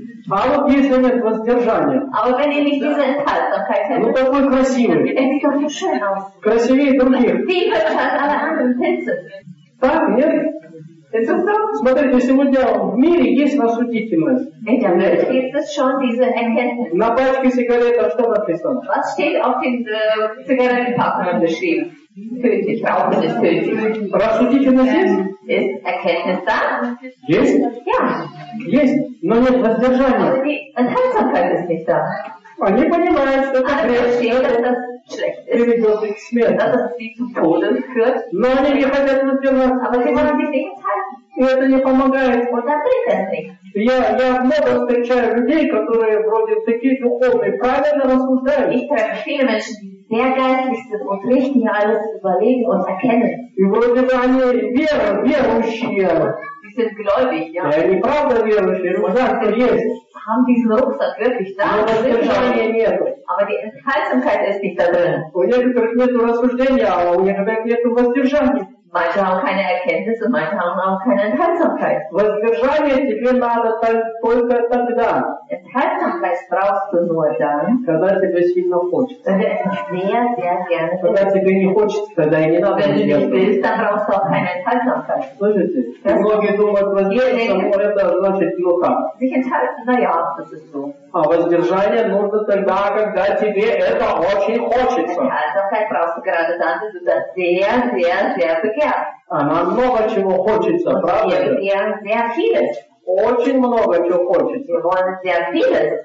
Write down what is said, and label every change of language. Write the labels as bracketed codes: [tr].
[ru] А вот если нет воздержания? Ну такой красивый. Красивее других. Так, нет? Смотрите, сегодня в мире есть рассудительность. На пачке сигарет что написано? [de] Was steht auf den Zigarettenpackungen geschrieben? Tödlich, rauchen ist tödlich. [ru] Рассудительность есть? [de] Ist Erkenntnis da? [ru] Есть? [de] Ja. [ru] Есть, но нет воздержания. [de] Aber die Enthaltsamkeit ist nicht da. [ru] Они понимают, что это приведет к смерти. Но они не хотят воздержаться. И это не помогает. Я много встречаю людей, которые вроде такие духовные, правильно рассуждают. И вроде бы они верующие. [de] Gläubig, [ru] ja, неправда верующие, но да, кто есть. [de] Haben diesen Rucksack wirklich da? [ru] Но воздержания нет. [de] Aber die Enthaltsamkeit ist nicht da drin. [ru] У некоторых нет рассуждения, а у некоторых нет воздержания. [de] Manchmal haben keine Erkenntnis und manchmal haben auch keine Enthaltsamkeit. [ru] Воздержание тебе надо только тогда. [de] Enthaltsamkeit brauchst du nur dann. [ru] Когда тебе сильно хочется. Когда тебе не хочется, тогда и не надо. [de] Wenn du nicht willst, dann brauchst du auch keine Enthaltsamkeit. [ru] Слышите? Многие думают, воздержание, это значит плохо. [de] Sich enthalten, na ja, das ist so. [ru] А воздержание нужно тогда, когда тебе это очень хочется. [de] Enthaltsamkeit brauchst du gerade dann, wenn du das sehr [ru] Она много чего хочется, правда? Очень много чего хочется.